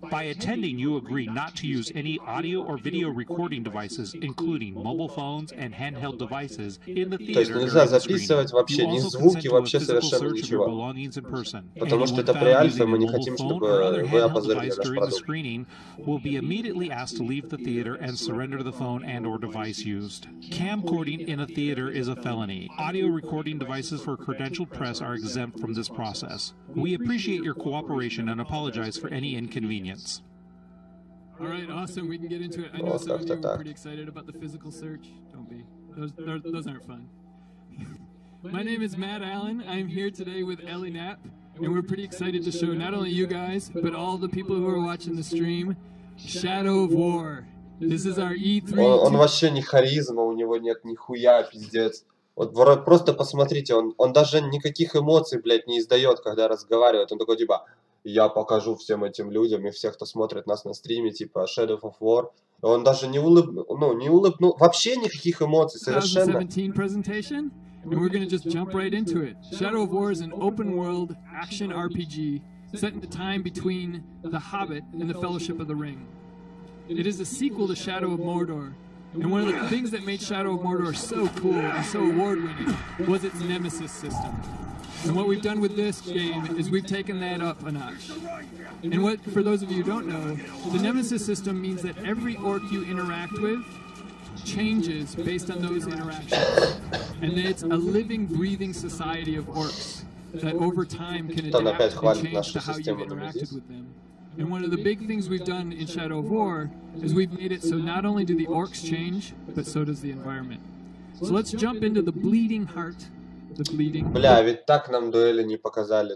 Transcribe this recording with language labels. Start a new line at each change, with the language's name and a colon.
English: By attending, you agree not to use any audio or video recording devices, including mobile phones and handheld devices, in the theater.
Russian: То есть нельзя записывать вообще ни звуки, вообще совершенно ничего. Потому что это пре-альфа, мы не хотим, чтобы вы опозорили наш продукт.
English: Will be immediately asked to leave the theater and surrender the phone and or device used. Camcording in a theater is a felony. Audio recording devices for credentialed press are exempt from this process. We appreciate your cooperation and apologize for any inconvenience. All right, awesome. We can get into it. I know some of you are pretty excited about the physical search. Don't be. Those aren't fun. My name is Matt Allen. I'm here today with Ellie Knapp, and we're pretty excited to show not only you guys, but all the people who are watching the stream, Shadow of War. This is our E3.
Russian: Он вообще не харизма, у него нет нихуя, пиздец. Вот просто посмотрите, он даже никаких эмоций, блядь, не издает, когда разговаривает. Он такой, типа, я покажу всем этим людям и всех, кто смотрит нас на стриме, типа, Shadow of War. Он даже не улыбнул, ну, не улыбнул, вообще никаких эмоций, совершенно.
English: And we're gonna just jump right into it. Shadow of War is an open-world action RPG set in the time between The Hobbit and The Fellowship of the Ring. It is a sequel to Shadow of Mordor. And one of the things that made Shadow of Mordor so cool and so award-winning was its nemesis system. And what we've done with this game is we've taken that up a notch. And what, for those of you who don't know, the nemesis system means that every orc you interact with changes based on those interactions. And it's a living, breathing society of orcs that over time can adapt and change to how you've interacted with them. And one of the big things we've done in Shadow of War is we've made it so not only do the orcs change, but so does the environment. So let's jump into the bleeding heart. The bleeding.
Russian: Бля, ведь так нам дуэли не показали.